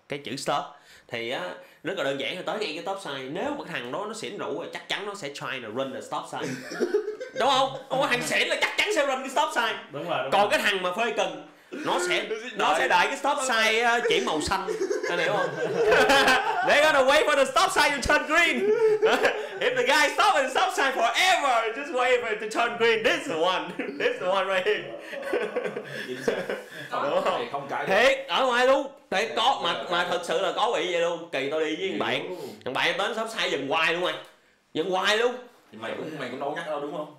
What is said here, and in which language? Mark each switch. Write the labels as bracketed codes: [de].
[vi] Cái chữ stop thì á rất là đơn giản, thì tới ngay cái stop sign, nếu mà thằng đó nó xỉn rượu thì chắc chắn nó sẽ [en] try to run the stop sign. [vi] Đúng không? Không, thằng xỉn là chắc chắn sẽ run cái stop sign. Đúng rồi. Còn cái thằng mà phê cần nó sẽ đợi cái stop sign chỉ màu xanh. Anh hiểu không? [en] They're gonna wait for the stop sign to turn green. If the guy stop at the stop sign forever, just wait for it to turn green. This is the one. This is the one right here. [vi] Đúng không? Thiệt, ở ngoài luôn. Thế có mà thật sự là có bị vậy luôn. Kỳ tao đi với bạn. Thằng bạn đến stop sign dừng hoài luôn mày. Dừng hoài luôn. Mày cũng đâu nhắc đâu đúng không?